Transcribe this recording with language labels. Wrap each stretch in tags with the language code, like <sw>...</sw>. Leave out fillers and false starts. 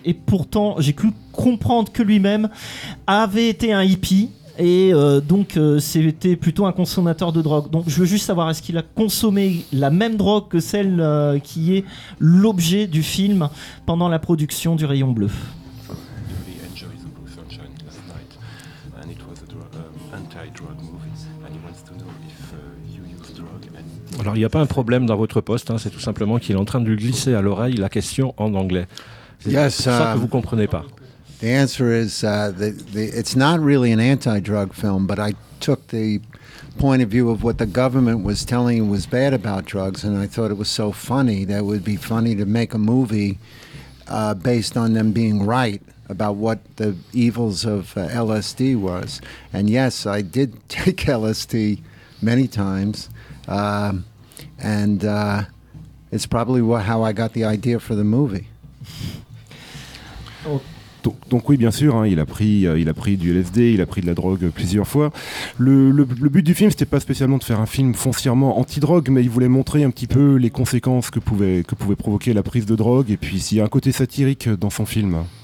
<fr>Et pourtant, j'ai cru comprendre que lui-même avait été un hippie. Et c'était plutôt un consommateur de drogue. Donc, je veux juste savoir, est-ce qu'il a consommé la même drogue que celle qui est l'objet du film pendant la production du Rayon Bleu ?</fr> <en>anti-drug movies, and he wants to know if you use drugs.</en> <fr>Alors, il n'y a pas un problème dans votre poste, hein, c'est tout simplement qu'il est en train de lui glisser à l'oreille la question en anglais. C'est</fr> <en>yes,</en> <fr>pour ça que vous ne comprenez pas.</fr> <en>The answer is it's not really an anti-drug film, but I took the point of view of what the government was telling you was bad about drugs, and I thought it was so funny that it would be funny to make a movie based on them being right about what the evils of LSD was. And yes, I did take LSD many times, and it's probably how I got the idea for the movie.</en> <fr>Donc oui, bien sûr, hein, il a pris du LSD, il a pris de la drogue plusieurs fois. Le but du film, c'était pas spécialement de faire un film foncièrement anti-drogue, mais il voulait montrer un petit peu les conséquences que pouvait provoquer la prise de drogue, et puis s'il y a un côté satirique dans son film.</fr>